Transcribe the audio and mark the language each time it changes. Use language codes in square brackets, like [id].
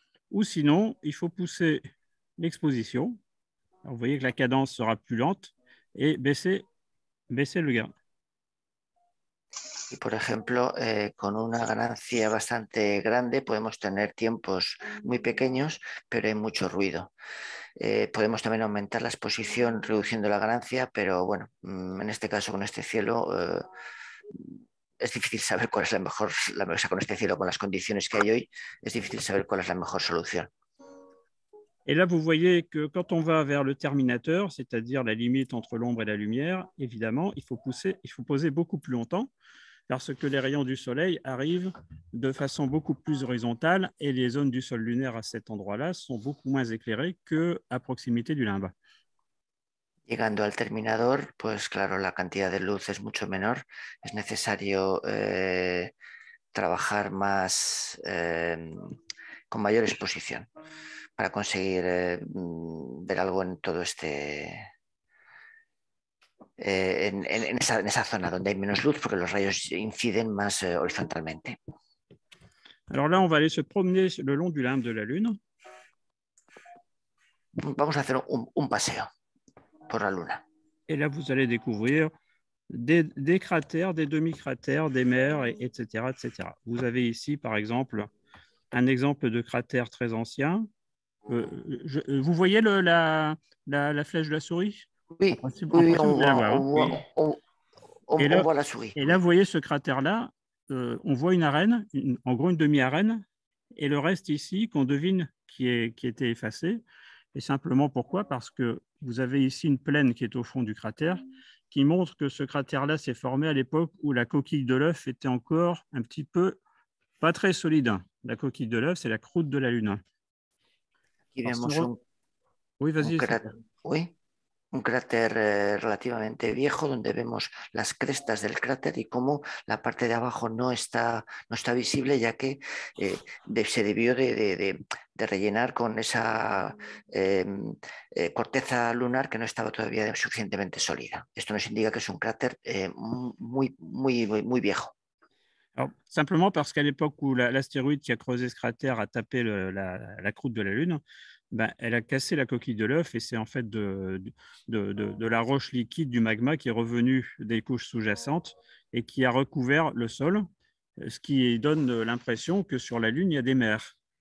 [fr] Ou sinon, il faut pousser l'exposition. Alors, vous voyez que la cadence sera plus lente et baisser le gain. [es] Y por ejemplo, con una ganancia bastante grande podemos tener tiempos muy pequeños, pero hay mucho ruido. Podemos también aumentar la exposición reduciendo la ganancia, pero bueno, en este caso con este cielo es difícil saber cuál es la mejor, o sea, con este cielo, con las condiciones que hay hoy, es difícil saber cuál es la mejor solución. [fr] Et là, vous voyez que quand on va vers le terminateur, c'est-à-dire la limite entre l'ombre et la lumière, évidemment, il faut poser beaucoup plus longtemps. lorsque les rayons du soleil arrivent de façon beaucoup plus horizontale et les zones du sol lunaire à cet endroit-là sont beaucoup moins éclairées qu'à proximité du limbe. [es] Llegando al terminador, pues claro, la cantidad de luz es mucho menor. Es necesario trabajar más con mayor exposición para conseguir ver algo en todo este en esa zona donde hay menos luz, porque los rayos inciden más horizontalmente. [fr] Alors là, on va aller se promener le long du limbe de la Lune. [es] Vamos a hacer un paseo por la Luna. [fr] Et là, vous allez découvrir des cratères, des demi-cratères, des mers, etc., etc. Vous avez ici, par exemple, un exemple de cratère très ancien. Vous voyez la flèche de la souris ? Oui, on voit la souris. Et là, vous voyez ce cratère-là, on voit une arène, en gros une demi-arène, et le reste ici, qu'on devine qui était effacé. Et simplement pourquoi ? Parce que vous avez ici une plaine qui est au fond du cratère, qui montre que ce cratère-là s'est formé à l'époque où la coquille de l'œuf était encore un petit peu, pas très solide. La coquille de l'œuf, c'est la croûte de la Lune. Oui, vas-y. [es] Un cráter relativamente viejo donde vemos las crestas del cráter y cómo la parte de abajo no está visible ya que se debió de rellenar con esa corteza lunar que no estaba todavía suficientemente sólida. Esto nos indica que es un cráter muy, muy, muy, muy viejo. [fr] Alors, simplement parce qu'à l'époque où l'astéroïde qui a creusé ce cratère a tapé la croûte de la Lune, ben, elle a cassé la coquille de l'œuf et c'est en fait de la roche liquide du magma qui est revenue des couches sous-jacentes et qui a recouvert le sol, ce qui donne l'impression que sur la Lune, il y a des mers,